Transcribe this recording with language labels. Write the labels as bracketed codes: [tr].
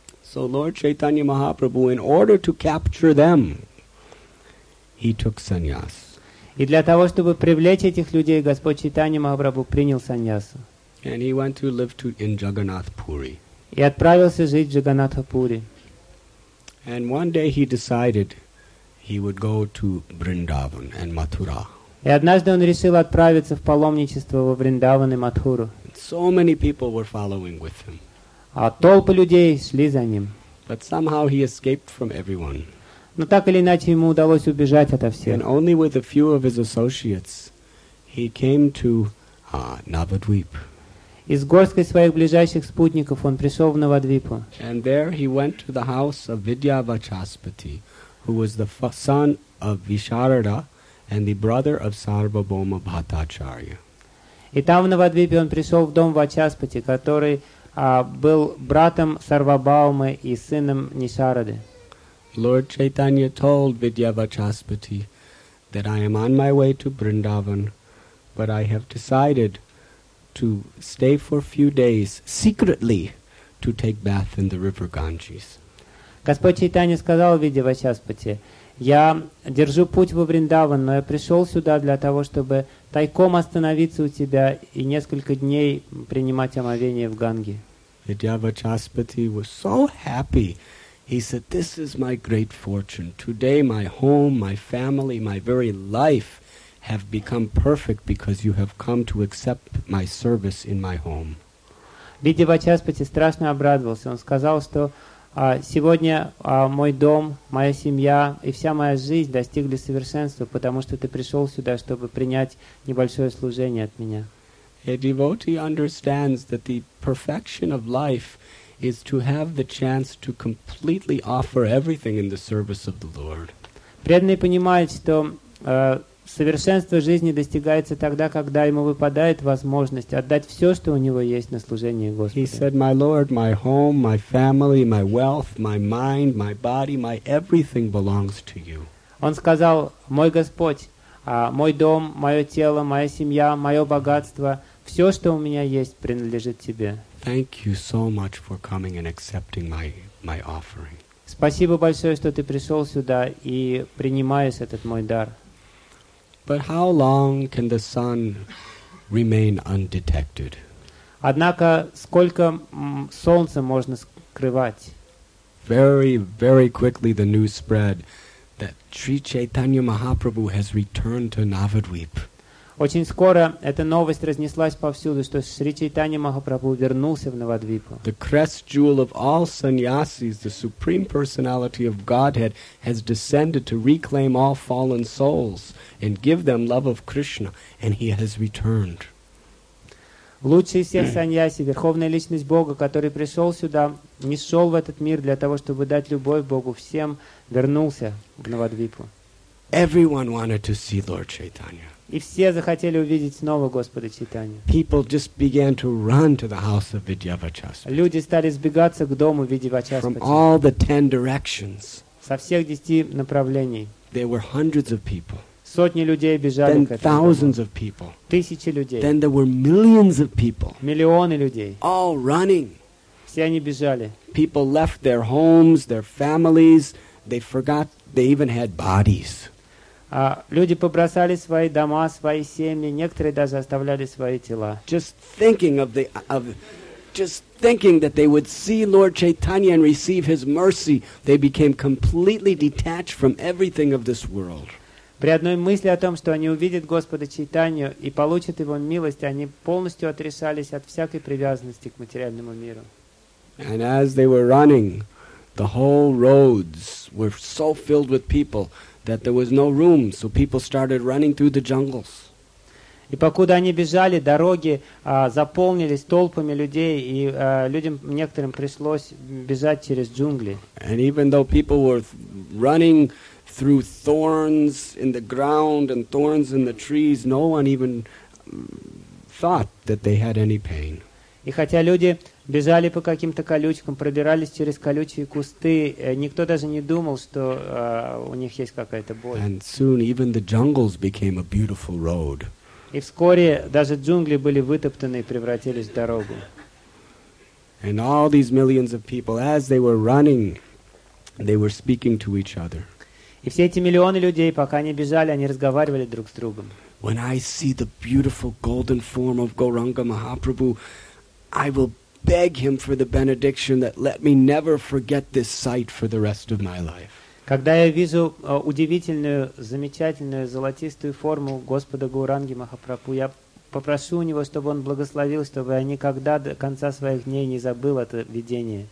[en] So Lord Chaitanya Mahaprabhu, in order to capture them, he took sannyas. [ru] И для того, чтобы привлечь этих людей, Господь Чайтанья Махапрабху принял саньясу. [en] And he went to live to in Jagannath Puri. [ru] И отправился жить в Джаганнатхапури. [en] And one day he decided he would go to Vrindavan and Mathura. [ru] И однажды он решил отправиться в паломничество во Вриндаван и Матхуру. [en] So many people were following with him. [ru] А толпы людей шли за ним. [en] But somehow he escaped from everyone. [ru] Но так или иначе ему удалось убежать ото всех. [en] And only with a few of his associates he came to Navadvip. [ru] И с горсткой своих ближайших спутников он пришел в Навадвипу. [en] And there he went to the house of Vidya Vachaspati, who was the son of Visharada and the brother of Sarvabhauma Bhattacharya. [ru] И там в Навадвипе он пришел в дом Вачаспати, который был братом Сарвабхаумы и сыном Нишарады. [en] Lord Chaitanya told Vidya Vachaspati that I am on my way to Vrindavan, but I have decided to stay for a few days secretly to take bath in the river Ganges. [ru] Господь Чайтанья сказал в виде Вачаспати: «Я держу путь во Вриндаван, но я пришел сюда для того, чтобы тайком остановиться у тебя и несколько дней принимать омовение в Ганге». [en] Vidya Vachaspati was so happy. He said, "This is my great fortune. Today my home, my family, my very life have become perfect because you have come to accept my service in my home." [ru] Vidya Vachaspati страшно обрадовался. Он сказал, что сегодня мой дом, моя семья и вся моя жизнь достигли совершенства, потому что ты пришел сюда, чтобы принять небольшое служение от меня. [en] A devotee understands that the perfection of life is to have the chance to completely offer everything in the service of the Lord. [ru] Преданный понимает, что совершенство жизни достигается тогда, когда ему выпадает возможность отдать все, что у него есть, на служение Господу. [en] He said, "My Lord, my home, my family, my wealth, my mind, my body, my everything belongs to you." [ru] Он сказал: "Мой Господь, мой дом, мое тело, моя семья, мое богатство, все, что у меня есть, принадлежит тебе." [en] Thank you so much for coming and accepting my offering. [ru] Спасибо большое, что ты пришел сюда и принимаешь этот мой дар. [en] But how long can the sun remain undetected? [ru] Однако сколько солнца можно скрывать? [en] Very, very quickly the news spread that Sri Chaitanya Mahaprabhu has returned to Navadvip. [ru] Очень скоро эта новость разнеслась повсюду, что Шри Чайтанья Махапрабху вернулся в Навадвипу. [en] The crest jewel of all sannyasis, the supreme personality of Godhead, has descended to reclaim all fallen souls and give them love of Krishna, and he has returned. [ru] Лучший из всех саньяси, верховная личность Бога, который пришел сюда, не шел в этот мир для того, чтобы дать любовь Богу всем, вернулся в Навадвипу. [en] Everyone wanted to see Lord Chaitanya. [ru] И все захотели увидеть снова Господа Чайтанью. [en] People just began to run to the house of Vidya Vachaspati. [ru] Люди стали сбегаться к дому Vidya Vachaspati. [en] From all the 10 directions. [ru] Со всех 10 направлений. [en] There were hundreds of people. [ru] Сотни людей бежали [en] Then [ru] к этому. [en] Thousands of people. [ru] Тысячи людей. [en] Then there were millions of people. [ru] Миллионы людей. [en] All running. [ru] Все они бежали. [en] People left their homes, their families. They forgot they even had bodies. [ru] Люди побросали свои дома, свои семьи, некоторые даже оставляли свои тела. [en] Just thinking that they would see Lord Chaitanya and receive his mercy, they became completely detached from everything of this world. [ru] При одной мысли о том, что они увидят Господа Чайтанью и получат его милость, они полностью отрешались от всякой привязанности к материальному миру. [en] And as they were running, the whole roads were so filled with people that there was no room, so people started running through the jungles. [ru] И покуда они бежали, дороги заполнились толпами людей, и людям некоторым пришлось бежать через джунгли. [en] And even though people were running through thorns in the ground and thorns in the trees, no one even thought that they had any pain. [ru] И хотя люди бежали по каким-то колючкам, пробирались через колючие кусты, никто даже не думал, что у них есть какая-то боль. [en] And soon even the jungles became a beautiful road. [ru] И вскоре даже джунгли были вытоптаны и превратились в дорогу. [en] And all these millions of people, as they were running, they were speaking to each other. [ru] И все эти миллионы людей, пока они бежали, они разговаривали друг с другом. [en] When I see the beautiful golden form of Gauranga Mahaprabhu, I will beg him for the benediction that let me never forget this sight for the rest of my life. [ru] Когда я вижу удивительную, замечательную, золотистую форму Господа Гауранги Махапрабху, я попрошу у него, чтобы он благословил, чтобы я никогда до конца своих дней не забыл это видение.